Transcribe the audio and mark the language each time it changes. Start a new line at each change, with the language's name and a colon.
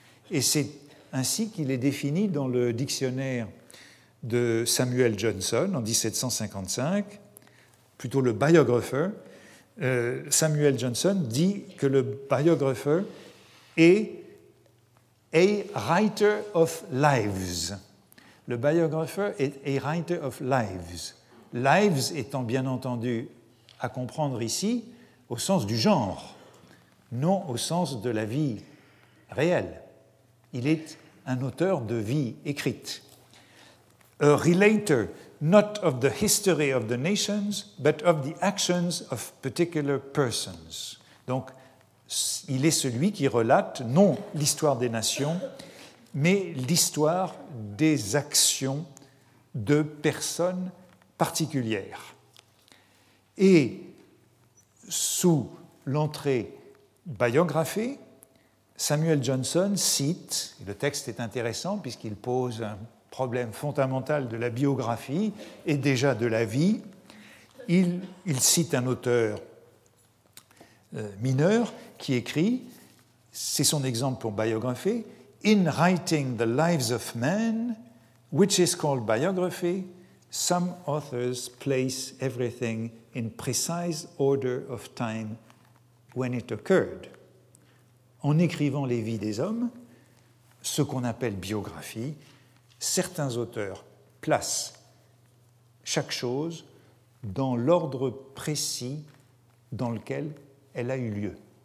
French: Et c'est ainsi qu'il est défini dans le dictionnaire de Samuel Johnson en 1755, plutôt le biographer. Samuel Johnson dit que le biographer est «
English: a writer of lives ».
French: Le biographer est
English: a writer of lives.
French: Lives étant bien entendu à comprendre ici au sens du genre, non au sens de la vie réelle. Il est un auteur de vie écrite.
English: A relator not of the history of the nations, but of the actions of particular persons.
French: Donc, il est celui qui relate non l'histoire des nations, mais l'histoire des actions de personnes particulières. Et sous l'entrée biographée, Samuel Johnson cite, et le texte est intéressant puisqu'il pose un problème fondamental de la biographie et déjà de la vie, il cite un auteur mineur qui écrit, c'est son exemple pour biographer, «
English: In writing the lives of men, which is called biography, Some authors place everything in precise order of time when it occurred.
French: En écrivant les vies des hommes, ce qu'on appelle biographie, certains auteurs placent chaque chose dans l'ordre précis dans lequel elle a eu lieu.